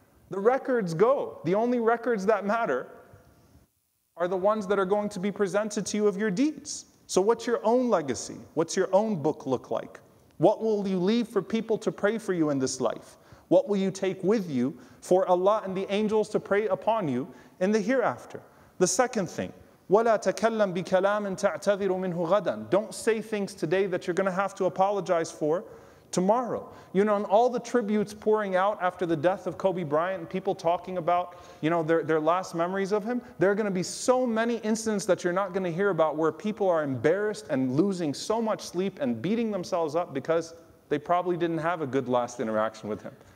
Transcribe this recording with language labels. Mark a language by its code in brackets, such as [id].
[en] The records go. The only records that matter are the ones that are going to be presented to you of your deeds. So what's your own legacy? What's your own book look like? What will you leave for people to pray for you in this life? What will you take with you for Allah and the angels to pray upon you in the hereafter? The second thing, [ar] وَلَا تَكَلَّمْ بِكَلَامٍ تَعْتَذِرُ مِنْهُ غَدًا. [en] Don't say things today that you're going to have to apologize for tomorrow. You know, and all the tributes pouring out after the death of Kobe Bryant, people talking about, you know, their last memories of him, there are going to be so many incidents that you're not going to hear about where people are embarrassed and losing so much sleep and beating themselves up because they probably didn't have a good last interaction with him.